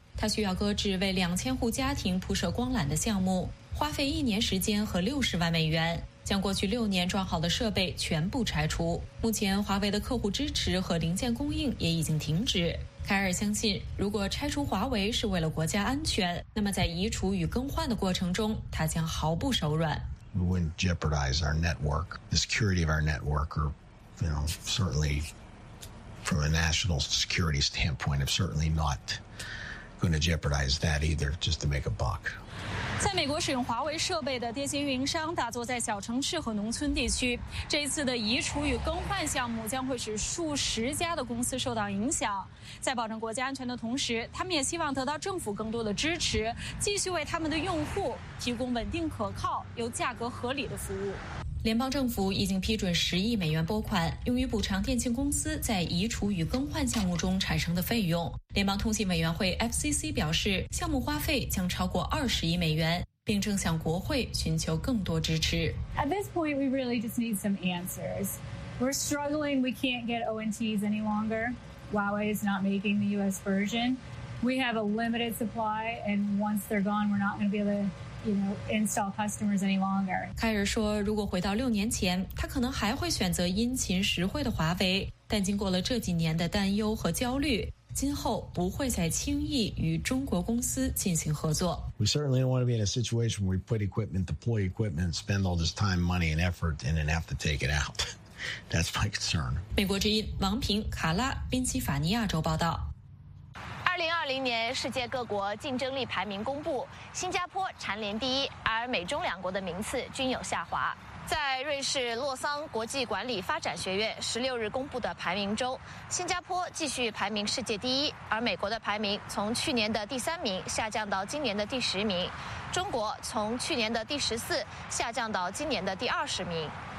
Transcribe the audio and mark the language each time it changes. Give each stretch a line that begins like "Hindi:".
Chinese: 他需要搁置为2000户家庭铺设光缆的项目，花费一年时间和60万美元，将过去六年装好的设备全部拆除。目前华为的客户支持和零件供应也已经停止。凯尔相信，如果拆除华为是为了国家安全，那么在移除与更换的过程中，他将毫不手软。
English: We wouldn't jeopardize our network, the security of our network, or, you know, certainly from a national security standpoint, I'm certainly not going to jeopardize that either just to make a buck.
Chinese: 在美国使用华为设备的电信运营商大多在小城市和农村地区。这一次的移除与更换项目将会使数十家的公司受到影响。在保证国家安全的同时，他们也希望得到政府更多的支持，继续为他们的用户提供稳定可靠又价格合理的服务。联邦政府已经批准10亿美元拨款，用于补偿电信公司在移除与更换项目中产生的费用。联邦通信委员会 FCC 表示，项目花费将超过20亿美元，并正向国会寻求更多支持。
English: At this point, we really just need some answers. We're struggling. We can't get ONTs any longer. Huawei is not making the U.S. version. We have a limited supply, and once they're gone, we're not going to be able to install customers any longer.
Chinese: 凯尔说，如果回到六年前，他可能还会选择殷勤实惠的华为，但经过了这几年的担忧和焦虑，今后不会再轻易与中国公司进行合作。
English: We certainly don't want to be in a situation where we put equipment, deploy equipment, spend all this time, money, and effort, and then have to take it out. That's my concern.
Chinese: 美国之音王平卡拉宾夕法尼亚州报道。 2020年世界各国竞争力排名公布，新加坡蝉联第一，而美中两国的名次均有下滑。在瑞士洛桑国际管理发展学院16日公布的排名中，新加坡继续排名世界第一，而美国的排名从去年的第三名下降到今年的第十名，中国从去年的第十四下降到今年的第二十名。